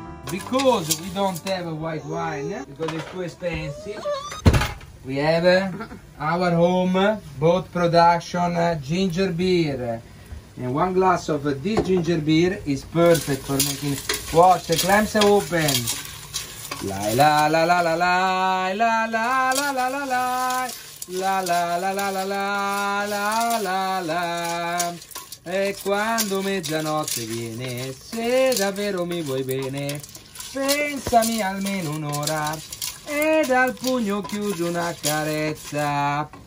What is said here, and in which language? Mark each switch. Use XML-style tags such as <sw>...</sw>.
<en>Because we don't have a white wine, because it's too expensive. We have our home boat production ginger beer. And one glass of this ginger beer is perfect for making. Watch the clams open. La la la la la la la la la la la la la la la la la la la la la la.</en> <it>E quando mezzanotte viene, se davvero mi vuoi bene, pensami almeno un'ora. E dal pugno chiuso una carezza.</it>